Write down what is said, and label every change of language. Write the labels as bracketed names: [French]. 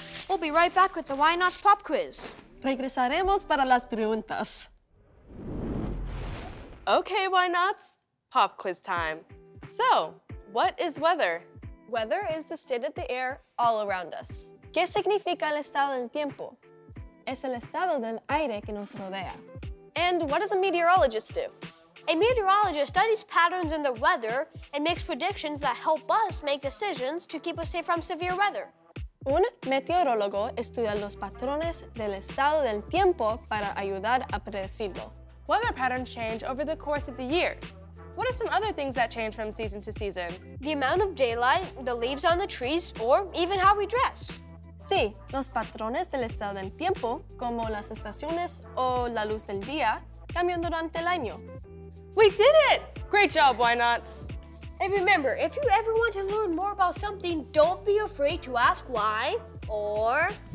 [English] We'll be right back with the Whynauts pop quiz. [Spanish] Regresaremos para las preguntas. [English] Okay, Whynauts, pop quiz time. So, what is weather? Weather is the state of the air all around us. [Spanish] ¿Qué significa el estado del tiempo? Es el estado del aire que nos rodea. [English] And what does a meteorologist do? A meteorologist studies patterns in the weather and makes predictions that help us make decisions to keep us safe from severe weather. [Spanish] Un meteorólogo estudia los patrones del estado del tiempo para ayudar a predecirlo. [English] Weather patterns change over the course of the year. What are some other things that change from season to season? The amount of daylight, the leaves on the trees, or even how we dress. [Spanish] Sí, los patrones del estado del tiempo, como las estaciones o la luz del día, cambian durante el año. [English] We did it! Great job, Whynauts! And remember, if you ever want to learn more about something, don't be afraid to ask why or